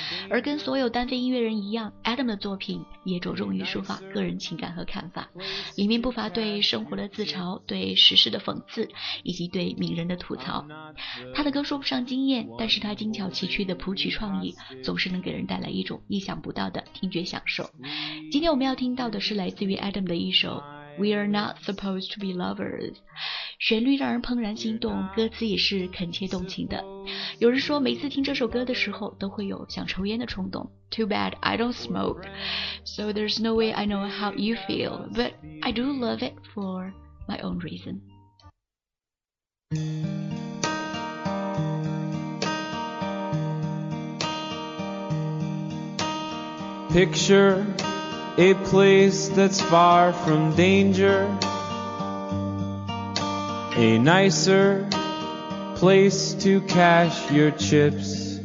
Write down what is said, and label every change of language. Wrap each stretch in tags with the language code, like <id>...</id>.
<zh>而跟所有单飞音乐人一样，Adam 的作品也着重于抒发个人情感和看法，里面不乏对生活的自嘲、对时事的讽刺以及对名人的吐槽。他的歌说不上惊艳，但是他精巧奇趣的谱曲创意总是能给人带来一种意想不到的听觉享受。今天我们要听到的是来自于 Adam 的一首We are not supposed to be lovers。旋律让人怦然心动，歌词也是恳切动情的。有人说每次听这首歌的时候都会有想抽烟的冲动。</zh> <en>Too bad I don't smoke, so there's no way I know how you feel, but I do love it for my own reason. PictureA place that's far from danger, a nicer place to cash your chips.</en>